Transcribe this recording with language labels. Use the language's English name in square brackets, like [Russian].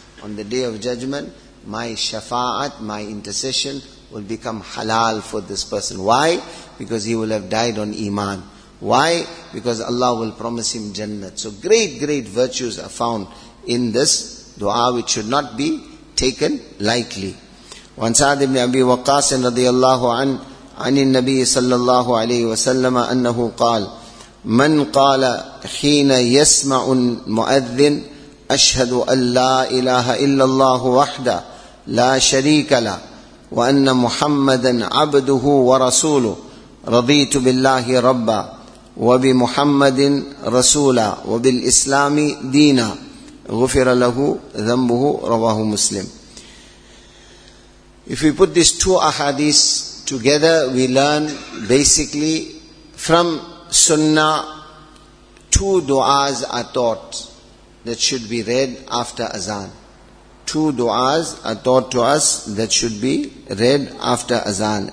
[English] On the day of judgment, my shafa'at, my intercession will become halal for this person. Why? Because he will have died on iman. Why? Because Allah will promise him Jannat. So great, great virtues are found in this dua, which should not be taken lightly. [Arabic] وعن سعد بن أبي وقاص رضي الله عنه عن النبي صلى الله عليه وسلم أنه قال من قال حين يسمع المؤذن أشهد أن لا إله إلا الله وحده لا شريك له وأن محمدا عبده ورسوله رضيت بالله ربا وبمحمد رسولا وبالإسلام دينا غفر له ذنبه رواه مسلم. [English] If we put these two ahadith together, we learn basically from sunnah, two du'as are taught that should be read after azan. Two du'as are taught to us that should be read after azan.